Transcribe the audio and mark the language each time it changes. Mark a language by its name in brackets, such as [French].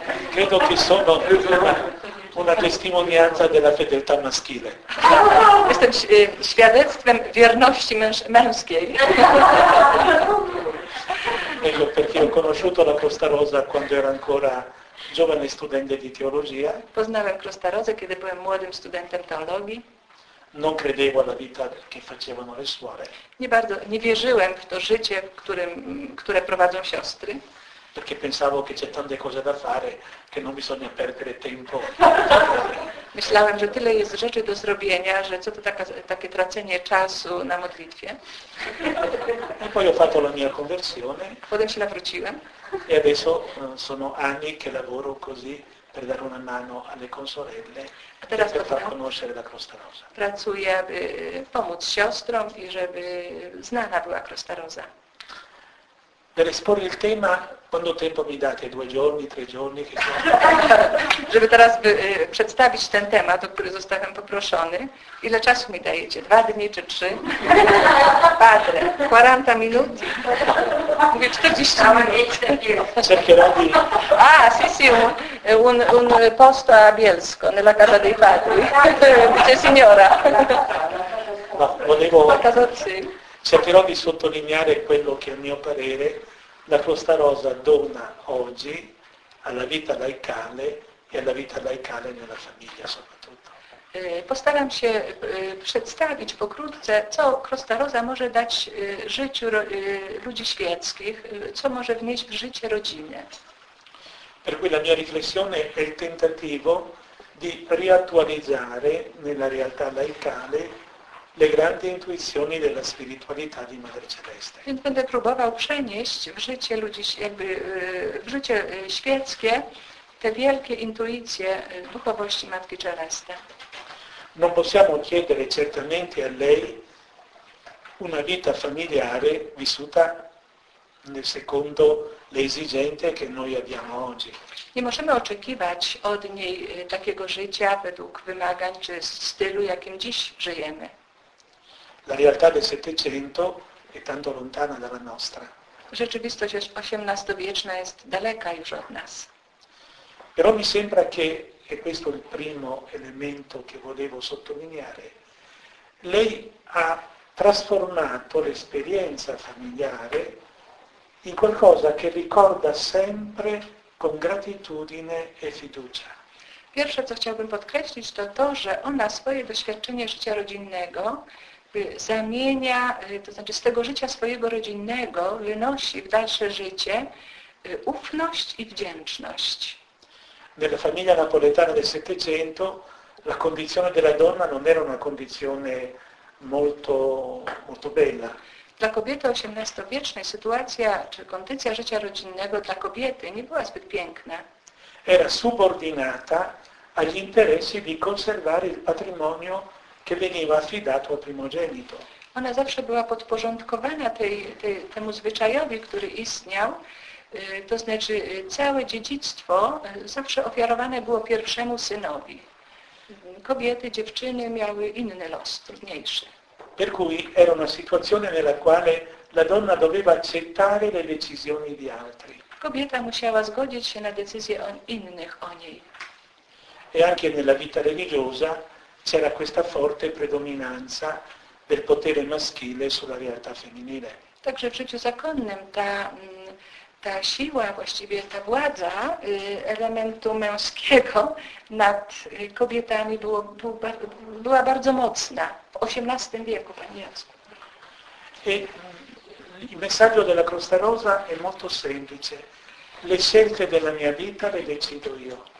[Italian] Credo che sono una testimonianza della fedeltà maschile. [Polish] Jestem świadectwem wierności męskiej. [Italian] Ecco, perché ho conosciuto la Crosta Rosa quando era ancora giovane studente di teologia. [Polish] Poznałem Crosta Rosa, kiedy byłem młodym studentem teologii. [Italian] Non credevo alla vita che facevano le suore. [Polish] Nie wierzyłem w to życie, które prowadzą siostry. [Italian] Perché pensavo che c'è tante cose da fare che non bisogna perdere tempo. [Polish] Myślałem, że tyle jest rzeczy do zrobienia, że co to takie tracenie czasu na modlitwie. [Italian] E poi ho fatto la mia conversione. [Polish] Potem się nawróciłem. [Italian] E adesso sono anni che lavoro così per dare una mano alle consorelle per far conoscere la Crosta Rosa. [Polish] Pracuję, aby pomóc siostrom i żeby znana była Crosta Rosa. [Italian] Per esporre il tema, quanto tempo mi date? Due giorni, tre giorni? Che [Polish] żeby teraz przedstawić ten temat, o który zostałem poproszony, ile czasu mi dajecie? Dwa dni czy trzy? Padre, 40 minut? Mówię, 40 minut. [Italian] Cercherò di... Ah, sì, sì, un posto a Bielsko, nella casa dei padri. Dice signora. No, volevo... Cercherò di sottolineare quello che a mio parere la Crosta Rosa dona oggi alla vita laicale e alla vita laicale nella famiglia soprattutto. [Polish] Postaram się przedstawić pokrótce, co Crosta Rosa może dać życiu ludzi świeckich, co może wnieść w życie rodziny. [Italian] Per cui la mia riflessione è il tentativo di riattualizzare nella realtà laicale le grandi intuizioni della spiritualità di Madre Celeste. [Polish] Więc będę próbował przenieść w życie ludzi, jakby w życie świeckie te wielkie intuicje duchowości Matki Celeste. [Italian] Non possiamo chiedere certamente a lei una vita familiare vissuta nel secondo le esigenze che noi abbiamo oggi. [Polish] Nie możemy oczekiwać od niej takiego życia według wymagań czy stylu, jakim dziś żyjemy. [Italian] La realtà del Settecento è tanto lontana dalla nostra. [Polish] Rzeczywistość XVIII-wieczna jest daleka już od nas. [Italian] Però mi sembra che, e questo è il primo elemento che volevo sottolineare, lei ha trasformato l'esperienza familiare in qualcosa che ricorda sempre con gratitudine e fiducia. [Polish] Pierwsze, co chciałbym podkreślić, to, że ona swoje doświadczenie życia rodzinnego zamienia, to znaczy z tego życia swojego rodzinnego wynosi w dalsze życie ufność i wdzięczność. [Italian] Nella famiglia napoletana del Settecento la condizione della donna non era una condizione molto, molto bella. [Polish] Dla kobiety XVIII-wiecznej sytuacja czy kondycja życia rodzinnego dla kobiety nie była zbyt piękna. [Italian] Era subordinata agli interessi di conservare il patrimonio che veniva affidato al primogenito. [Polish] Ona zawsze była podporządkowana temu zwyczajowi, który istniał, to znaczy całe dziedzictwo zawsze ofiarowane było pierwszemu synowi. Kobiety, dziewczyny miały inny los, trudniejszy. [Italian] Per cui era una situazione nella quale la donna doveva accettare le decisioni di altri. [Polish] Kobieta musiała zgodzić się na decyzje innych o niej. [Italian] E anche nella vita religiosa c'era questa forte predominanza del potere maschile sulla realtà femminile. [Polish] Także w życiu zakonnym ta siła, właściwie ta władza elementu męskiego nad kobietami była bardzo mocna w XVIII wieku, Panie Jacku. [Italian] Il messaggio della Crosta Rosa è molto semplice. le scelte della mia vita le decido io.